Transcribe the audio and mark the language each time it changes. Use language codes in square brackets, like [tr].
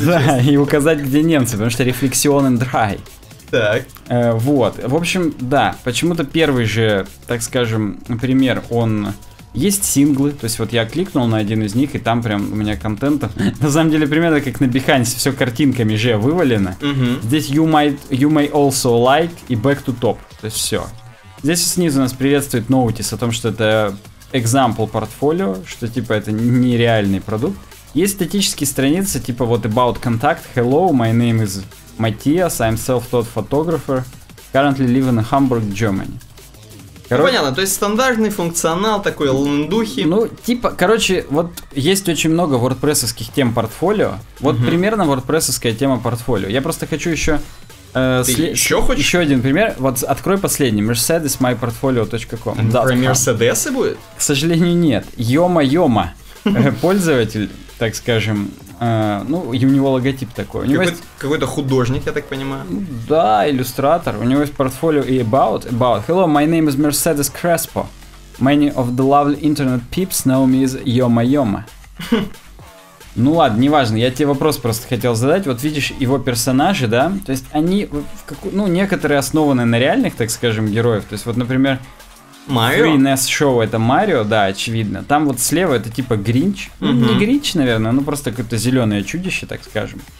[ru] честно. Да, и указать, где немцы, потому что Reflexion and Dry. Так. Вот, в общем, да, почему-то первый же, так скажем, пример, он... Есть синглы, то есть вот я кликнул на один из них, и там прям у меня контента. На самом деле, примерно как на Behance, все картинками же вывалено. Uh-huh. Здесь you may also like и back to top, то есть все. Здесь снизу нас приветствует notice о том, что это example portfolio, что типа это нереальный продукт. Есть статические страницы, типа вот about contact, [en] hello, my name is Matthias, I'm self-taught photographer, currently live in Hamburg, Germany. [ru] Короче, ну, понятно, то есть стандартный функционал такой лендухи. Ну, типа, короче, вот есть очень много вордпрессовских тем портфолио. Вот угу. Примерно вордпрессовская тема портфолио. Я просто хочу еще... Ты еще хочешь? Еще один пример. Вот открой последний. MercedesMyPortfolio.com. Да, про Мерседесы будет? К сожалению, нет. Йома-йома. Пользователь, так скажем... ну, и у него логотип такой. Какой-то художник, я так понимаю. Да, иллюстратор. У него есть портфолио и about. [en] Hello, my name is Mercedes Crespo. Many of the lovely internet peeps know me as Yoma-Yoma. [ru] Ну ладно, неважно, я тебе вопрос просто хотел задать. Вот видишь его персонажи, да? То есть они, ну, некоторые основаны на реальных, так скажем, героев. То есть вот, например, [en] Mario? [ru] 3NES Show — это Марио, да, очевидно. Там вот слева это типа Гринч. Uh-huh. Не Гринч, наверное, ну просто какое-то зеленое чудище, так скажем.